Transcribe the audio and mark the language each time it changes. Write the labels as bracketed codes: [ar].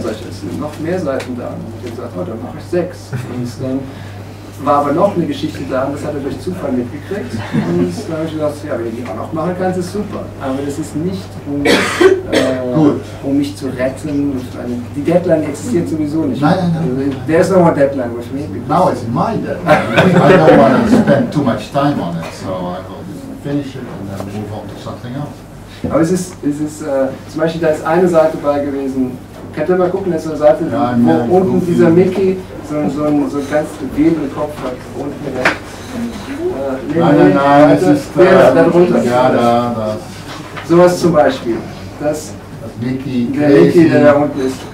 [de] Sag ich, es sind noch mehr Seiten da. Und hat er gesagt, oh, dann mache ich sechs. Und dann war aber noch eine Geschichte da, und das hat er durch Zufall mitgekriegt. Und dann habe ich gesagt, ja, wenn du die auch noch machen kannst, ist super. Aber das ist nicht, um mich zu retten. Die Deadline existiert sowieso nicht. Nein. [en] There's no more deadline with me. Now it's my deadline. I don't want to spend too much time on it, so I will finish it and then move on to something else. [de] Aber es ist zum Beispiel, da ist eine Seite bei gewesen. Könnt ihr mal gucken, da ist eine Seite, wo unten dieser Mickey so einen ganz gewebenen Kopf hat, unten rechts. Nein, es ist da drunter. Ja, da. Sowas zum Beispiel. Der Mickey, der da unten ist.